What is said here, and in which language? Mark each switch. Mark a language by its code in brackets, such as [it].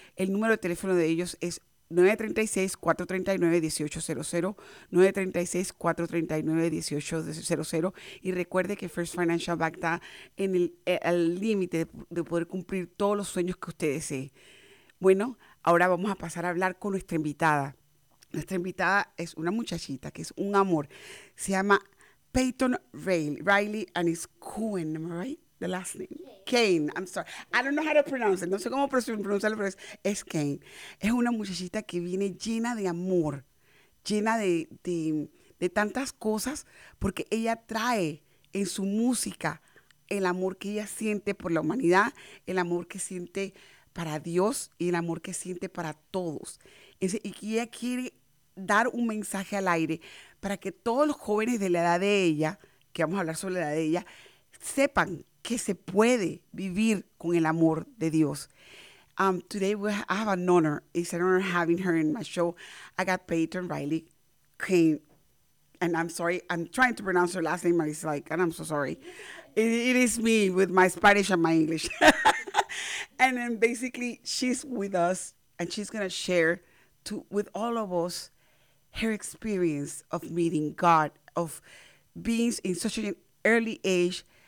[es] El número de teléfono de ellos es 936-439-1800, 936-439-1800. Y recuerde que First Financial Bank está en el límite de poder cumplir todos los sueños que usted desee. Bueno, ahora vamos a pasar a hablar con nuestra invitada. Nuestra invitada es una muchachita que es un amor. Se llama [en] Peyton Riley, and it's Cohen, am I right? The last name. Kane, I'm sorry. I don't know how to pronounce it. [es] No sé cómo pronunciarlo, pero es Kane. Es una muchachita que viene llena de amor, llena de tantas cosas, porque ella trae en su música el amor que ella siente por la humanidad, el amor que siente para Dios y el amor que siente para todos. Y que ella quiere dar un mensaje al aire para que todos los jóvenes de la edad de ella, que vamos a hablar sobre la edad de ella, sepan que se puede vivir con el amor de Dios. [en] Today we have an honor. It's an honor having her in my show. I got Peyton Riley Kane, and I'm sorry, I'm trying to pronounce her last name, but it's like, and I'm so sorry. It is me with my Spanish and my English. And then basically she's with us and she's going to share with all of us her experience of meeting God, of being in such an early age.